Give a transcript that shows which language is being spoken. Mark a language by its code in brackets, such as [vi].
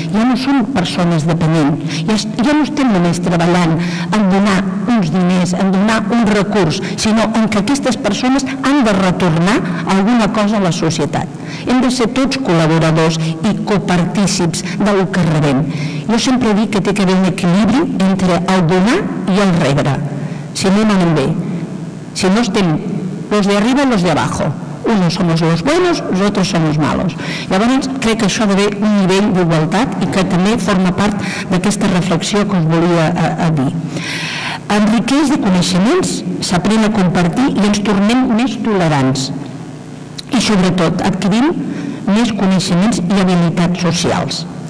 [ca] Ja no són persones dependents, ja no estem només treballant en donar uns diners, en donar un recurs, sinó en que aquestes persones han de retornar alguna cosa a la societat. Hem de ser tots col·laboradors i copartícips del que rebem. Jo sempre dic que ha d'haver un equilibri entre el donar i el rebre. Si no anem bé, si no estem [es] los de arriba, los de abajo. Unos somos los buenos, los otros somos malos. [ca] Llavors, crec que això ha d'haver un nivell d'igualtat i que també forma part d'aquesta reflexió que us volia dir. Enriqueix de coneixements, s'aprèn a compartir i ens tornem més tolerants. I sobretot, adquirim més coneixements i habilitats socials.